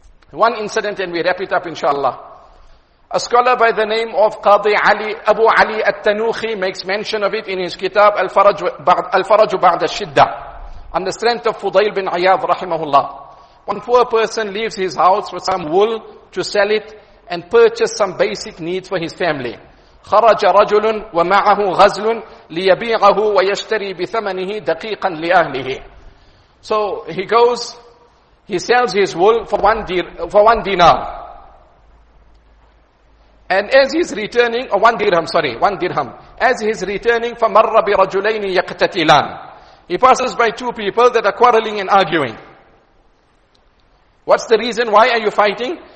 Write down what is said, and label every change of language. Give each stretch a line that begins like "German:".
English: One incident and we wrap it up inshallah. A scholar by the name of Qadi Ali, Abu Ali At-Tanukhi makes mention of it in his kitab Al-Faraj Ba'd Al-Shidda, on the strength of Fudail bin Ayyad rahimahullah. One poor person leaves his house with some wool to sell it and purchase some basic needs for his family.
Arabic: خرج رجل ومعه غزل ليبيعه ويشتري بثمنه دقيقا لأهله.
English: So he goes, he sells his wool for one dinar. And as he's returning, one dirham, as he's returning,
Arabic: فَمَرَّ بِرَجُلَيْنِ يَقْتَتِلَانِ.
English: He passes by two people that are quarreling and arguing. What's the reason? Why are you fighting?